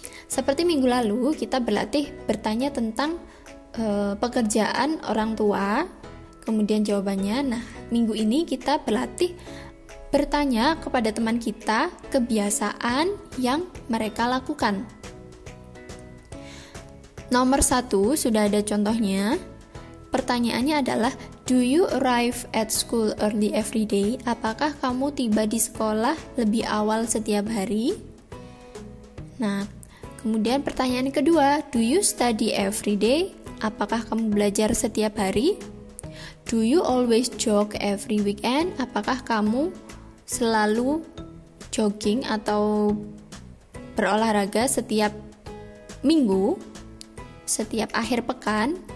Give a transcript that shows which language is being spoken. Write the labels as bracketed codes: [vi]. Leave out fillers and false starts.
[id] Seperti minggu lalu, kita berlatih bertanya tentang pekerjaan orang tua, kemudian jawabannya. Nah, minggu ini kita berlatih bertanya kepada teman kita kebiasaan yang mereka lakukan. Nomor 1 sudah ada contohnya. Pertanyaannya adalah, [en] do you arrive at school early every day? [id] Apakah kamu tiba di sekolah lebih awal setiap hari? Nah, kemudian pertanyaan kedua, [en] do you study every day? [id] Apakah kamu belajar setiap hari? [en] Do you always jog every weekend? [id] Apakah kamu selalu jogging atau berolahraga setiap minggu, setiap akhir pekan?